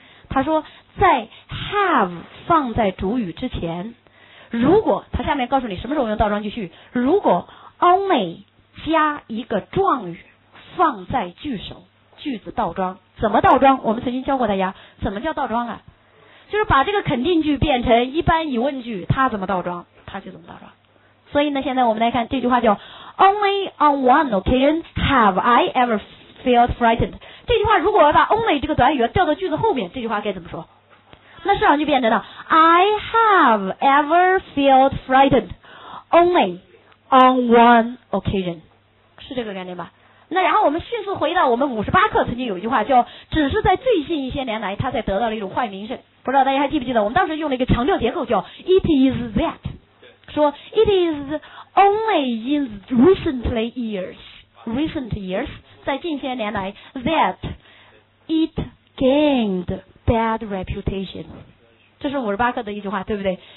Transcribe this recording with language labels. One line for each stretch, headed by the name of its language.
Chinese: 他说在 have 放在主语之前，如果他下面告诉你什么时候用倒装句序，如果 only 加一个状语放在句首，句子倒装，怎么倒装？我们曾经教过大家怎么叫倒装啊，就是把这个肯定句变成一般疑问句，他怎么倒装他就怎么倒装。所以呢现在我们来看这句话叫
English: only on one occasion have I ever felt frightened，
Chinese: 这句话如果要把 only 这个短语调到句子后面，这句话该怎么说？那上面就变成了
English: I have ever felt frightened only on one occasion，
Chinese: 是这个概念吧？那然后我们迅速回到我们58课曾经有一句话叫只是在最近一些年来他才得到了一种坏名声，不知道大家还记不记得我们当时用了一个强调结构叫
English: it is that，
Chinese: 说
English: it is only in recent years
Chinese: 在近些年来
English: that it gainedbad reputation，
Chinese: 这是58课的一句话，对不对？